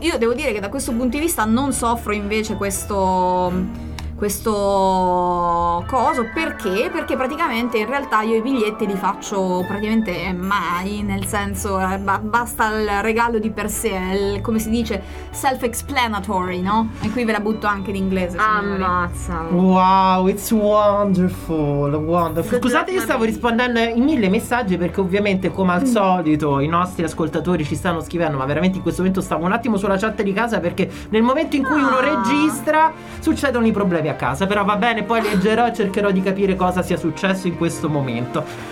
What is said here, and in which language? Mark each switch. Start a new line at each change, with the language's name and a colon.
Italian: Io devo dire che da questo punto di vista non soffro invece questo coso. Perché? Perché praticamente in realtà io i biglietti li faccio praticamente mai. Nel senso, basta il regalo di per sé, come si dice, self-explanatory, no? E qui ve la butto anche in inglese. Ammazza.
English: Wow, it's wonderful, wonderful.
Italian: Scusate, io stavo rispondendo in mille messaggi perché ovviamente come al solito i nostri ascoltatori ci stanno scrivendo. Ma veramente in questo momento stavo un attimo sulla chat di casa, perché nel momento in cui uno registra succedono i problemi a casa, però va bene, poi leggerò e cercherò di capire cosa sia successo in questo momento.